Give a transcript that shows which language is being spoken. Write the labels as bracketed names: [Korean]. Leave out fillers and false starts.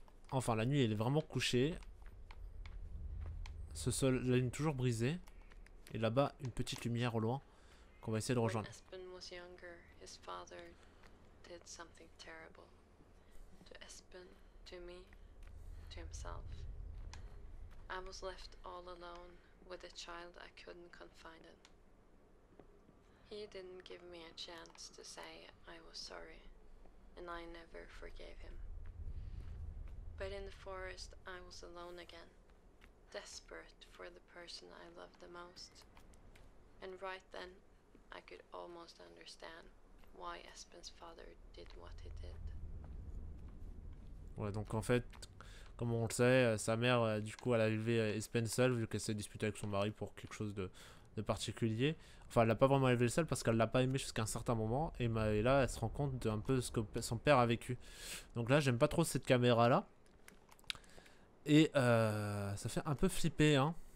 [French] Enfin, la nuit, elle est vraiment couchée. Ce sol, la lune toujours brisée. Et là-bas, une petite lumière au loin qu'on va essayer de rejoindre. Quand Espen était plus jeune, son père a fait quelque chose de terrible. [English] To Espen. To me, to himself. I was left all alone with a child I couldn't confide in. He didn't give me a chance to say I was sorry, and I never forgave him. But in the forest, I was alone again, desperate for the person I loved the most. And right then, I could almost understand why Espen's father did what he did. [French] Ouais, donc en fait, comme on le sait, sa mère, du coup, elle a élevé Espen seule, vu qu'elle s'est disputée avec son mari pour quelque chose de particulier. Enfin, elle l'a pas vraiment élevé seule parce qu'elle l'a pas aimé jusqu'à un certain moment. Et là, elle se rend compte d'un peu ce que son père a vécu. Donc là, j'aime pas trop cette caméra-là. Et ça fait un peu flipper, hein.